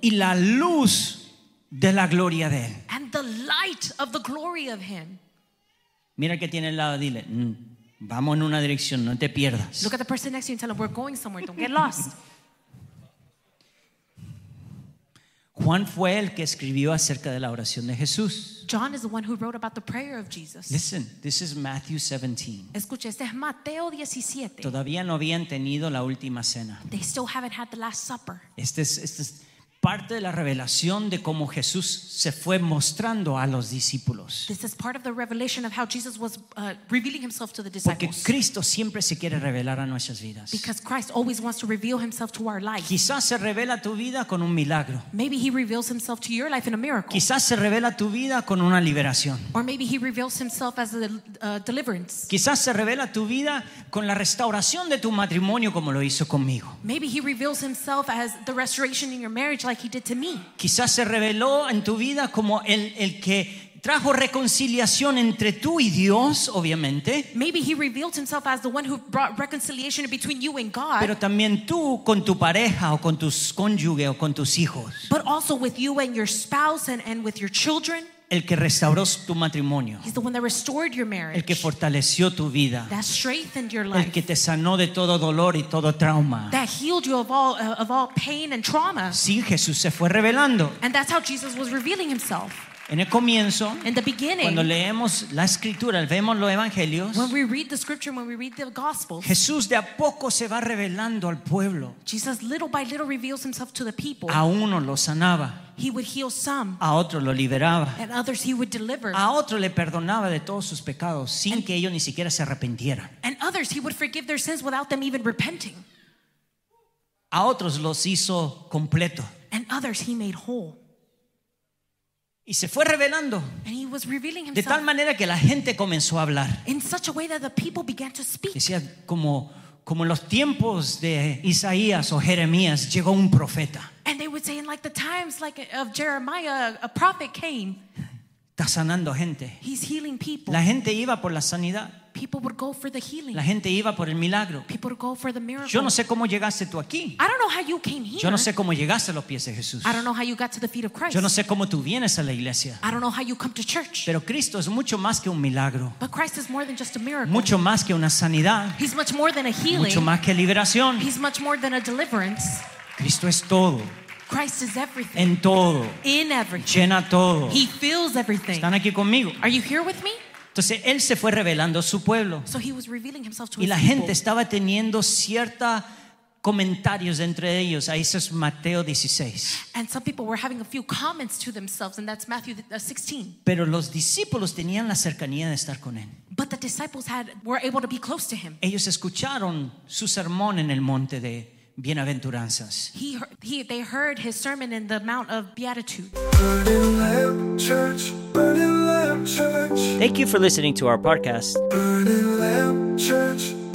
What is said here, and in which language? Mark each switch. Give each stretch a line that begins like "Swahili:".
Spanish: Y la luz de la gloria de él.
English: And the light of the glory of him.
Spanish: Mira que tiene al lado, dile, vamos en una dirección, no te pierdas.
English: Look at the person next to you and tell them, we're going somewhere, don't get lost.
Spanish: Juan fue el que escribió acerca de la oración de Jesús.
English: John is the one who wrote about the prayer of Jesus. Listen, this is Matthew 17.
Spanish: Escucha, este es Mateo 17. Todavía no habían tenido la última cena.
English: They still haven't had the last supper.
Spanish: Este es parte de la revelación de cómo Jesús se fue mostrando a los discípulos.
English: This is part of the revelation of how Jesus was revealing himself to the disciples.
Spanish: Porque Cristo siempre se quiere revelar a nuestras vidas.
English: Because Christ always wants to reveal himself to our life.
Spanish: Quizás se revela tu vida con un milagro.
English: Maybe he reveals himself to your life in a miracle.
Spanish: Quizás se revela tu vida con una liberación.
English: Or maybe he reveals himself as a deliverance.
Spanish: Quizás se revela tu vida con la restauración de tu matrimonio como lo hizo conmigo.
English: Maybe he reveals himself as the restoration in your marriage like he did to me.
Spanish: Quizás se reveló en tu vida como el que trajo reconciliación entre tú y Dios, obviamente.
English: Maybe he revealed himself as the one who brought reconciliation between you and God.
Spanish: Pero también tú con tu pareja o con tus cónyuge o con tus hijos.
English: But also with you and your spouse and with your children.
Spanish: El que restauró tu matrimonio.
English: He's the one that restored your marriage.
Spanish: El que fortaleció tu vida.
English: That strengthened your life.
Spanish: El que te sanó de todo dolor y todo trauma.
English: That healed you of all pain and trauma.
Spanish: Sí, Jesús se fue revelando.
English: And that's how Jesus was revealing himself.
Spanish: En el comienzo,
English: in the beginning,
Spanish: cuando leemos la escritura, vemos los evangelios,
English: when we read the scripture, when we read the gospels,
Spanish: Jesús de a poco se va revelando al pueblo.
English: Jesus little by little reveals himself to the people.
Spanish: A uno lo sanaba.
English: He would heal some.
Spanish: A otro lo liberaba.
English: And others he would deliver.
Spanish: A otro le perdonaba de todos sus pecados sin que ellos ni siquiera se arrepintieran.
English: And others he would forgive their sins without them even repenting.
Spanish: A otros los hizo completo.
English: And others he made whole.
Spanish: Y se fue revelando.
English: And he was revealing himself.
Spanish: De tal manera que la gente comenzó a hablar.
English: In such a way that the people began to speak.
Spanish: Decía como en los tiempos de Isaías o Jeremías llegó un profeta.
English: And they would say in like the times like of Jeremiah a prophet came.
Spanish: Está sanando gente.
English: He's healing people.
Spanish: La gente iba por la sanidad.
English: People would go for the healing.
Spanish: La gente iba por el milagro.
English: People would go for the miracle.
Spanish: Yo no sé cómo llegaste tú aquí.
English: I don't know how you came here.
Spanish: Yo no sé cómo llegaste a los pies de Jesús.
English: I don't know how you got to the feet of Christ.
Spanish: Yo no sé cómo tú vienes a la iglesia.
English: I don't know how you come to church.
Spanish: Pero Cristo es mucho más que un milagro.
English: But Christ is more than just a miracle.
Spanish: Mucho más que una sanidad.
English: He's much more than a healing.
Spanish: Mucho más que liberación.
English: He's much more than a deliverance.
Spanish: Cristo es todo.
English: Christ is everything.
Spanish: En todo.
English: In everything.
Spanish: Llena todo.
English: He fills everything.
Spanish: ¿Están aquí conmigo?
English: Are you here with me?
Spanish: Entonces él se fue revelando a su pueblo.
English: So he was revealing himself to
Spanish: y la gente estaba teniendo cierta comentarios entre ellos. Ahí es Mateo 16.
English: And some people were having a few comments to themselves, and that's Matthew 16.
Spanish: Pero los discípulos tenían la cercanía de estar con él.
English: But the disciples were able to be close to him.
Spanish: Ellos escucharon su sermón en el monte de Bienaventuranzas.
English: They heard his sermon in the Mount of Beatitude. Thank you for listening to our podcast. Burning Lamp Church.